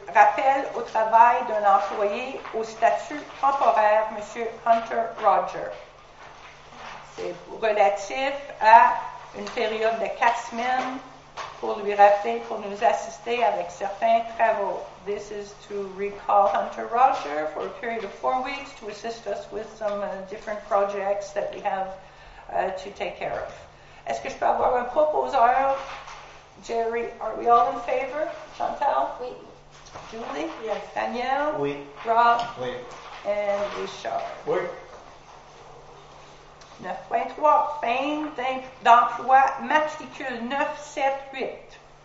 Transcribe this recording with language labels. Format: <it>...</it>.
<fr>Rappel au travail d'un employé au statut temporaire, M. Hunter Roger. C'est relatif à une période de 4 semaines pour lui rappeler, pour nous assister avec certains travaux.</fr> <en>This is to recall Hunter Roger for a period of 4 weeks to assist us with some different projects that we have to take care of.</en> <fr>Est-ce que je peux avoir un proposeur?</fr> <en>Jerry, are we all in favor? Chantal?</en> <fr>Oui.</fr> <en>Julie? Yes. Danielle?</en> <fr>Oui. Rob? Oui.</fr> <en>And Richard?</en> <fr>Oui. 9.3. Fin d'emploi matricule 978.</fr>